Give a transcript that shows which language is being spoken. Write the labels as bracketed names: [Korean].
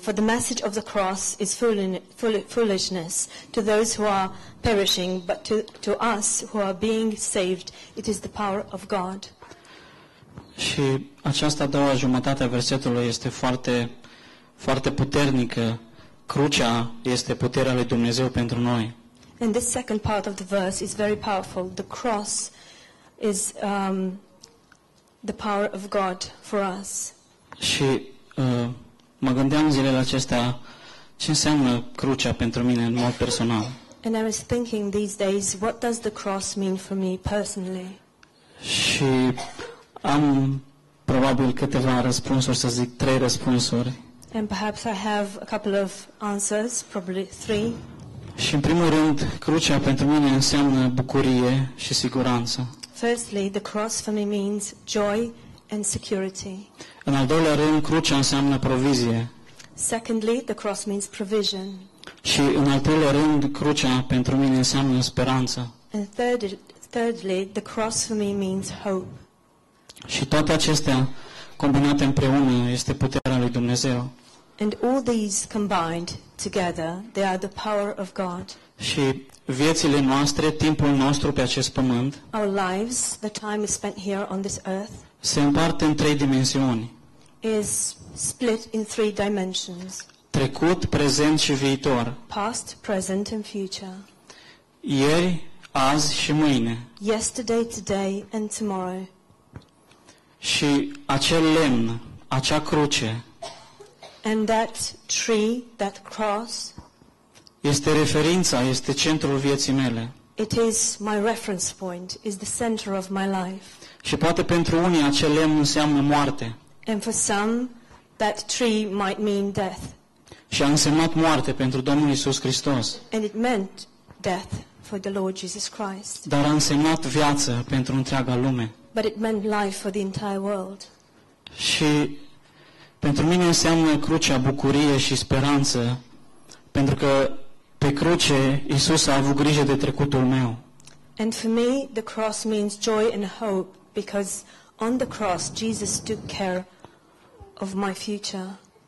[English] For the message of the cross is foolishness to those who are perishing, but to us who are being saved, it is the power of God. [Romanian] Și această a doua jumătate a versetului este foarte, foarte puternică. Crucea este puterea lui Dumnezeu pentru noi. [English] And this second part of the verse is very powerful. The cross is the power of God for us. [Romanian] Și mă gândeam zilele acestea ce înseamnă crucea pentru mine în mod personal. [English] And I was thinking these days, what does the cross mean for me personally? [Romanian] Și Am probabil câteva răspunsuri, să zic trei răspunsuri. [English] And perhaps I have a couple of answers, probably three. [Romanian] Și în primul rând, crucea pentru mine înseamnă bucurie și siguranță. [English] Firstly, the cross for me means joy and security. [Romanian] În al doilea rând, crucea înseamnă provizie. [English] Secondly, the cross means provision. [Romanian] Și în al treilea rând, crucea pentru mine înseamnă speranță. [English] And thirdly, the cross for me means hope. [Romanian] Și toate acestea combinate împreună este puterea lui Dumnezeu. [English] And all these combined together, they are the power of God. [Romanian] Și viețile noastre, timpul nostru pe acest pământ, [English] our lives, the time is spent here on this earth, [Romanian] se împarte în trei dimensiuni. [English] Is split in three dimensions. [Romanian] Trecut, prezent și viitor. [English] Past, present and future. [Romanian] Ieri, azi și mâine. [English] Yesterday, today and tomorrow. [Romanian] Și acel lemn, acea cruce. [English] And that tree, that cross. [Romanian] Este referința, este centrul vieții mele. [English] It is my reference point, is the center of my life. [Romanian] Și poate pentru unii acel lemn înseamnă moarte. [English] And for some, that tree might mean death. [Romanian] Și a însemnat moarte pentru Domnul Iisus Hristos. [English] And it meant death for the Lord Jesus Christ. [Romanian] Dar a însemnat viață pentru întreaga lume. [English] But it meant life for the entire world. [Romanian] Și pentru mine înseamnă crucea bucurie și speranță, pentru că pe cruce Iisus a avut grijă de trecutul meu. [English] And for me, the cross means joy and hope, because on the cross Jesus took care of my future,